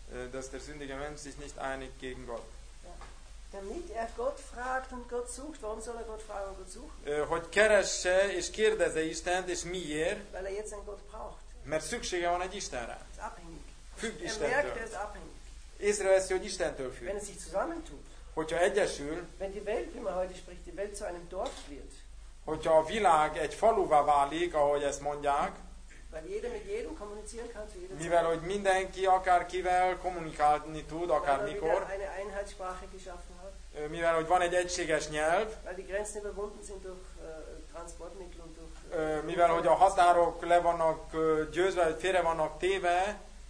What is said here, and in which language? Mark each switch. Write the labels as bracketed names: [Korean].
[German] Dass der sündige Mensch sich nicht einigt gegen Gott. Damit er Gott fragt und Gott sucht. Warum soll er Gott fragen und Gott suchen? [Hungarian] Hogy keresse és kérdezze Istent, és miért? [German] Weil er jetzt einen Gott braucht. [Hungarian] Mert szüksége van egy Istenre. Ez [German] abhängig. [Hungarian] Függ Istentől. [German] Er merkt, er ist abhängig. [Hungarian] Észreveszi, hogy Istentől függ. [German] Wenn es sich zusammentut. [Hungarian] Hogyha egyesül. [German] Wenn die Welt, wie man heute spricht, die Welt zu einem Dorf wird. [Hungarian] Hogyha a világ egy faluvá válik, ahogy ezt mondják. [German] Weil jeder mit jedem kommunizieren kann, zu jedem. [Hungarian] Mivel hogy mindenki akárkivel kommunikálni tud, akármikor. [German] Weil er wieder eine Einheitssprache geschaffen hat. [Hungarian] Mivel hogy van egy egységes nyelv. [German] Weil die Grenzen überwunden sind durch Transportmittel und durch. [Hungarian] Mivel hogy a határok le vannak győzve, félre vannak téve.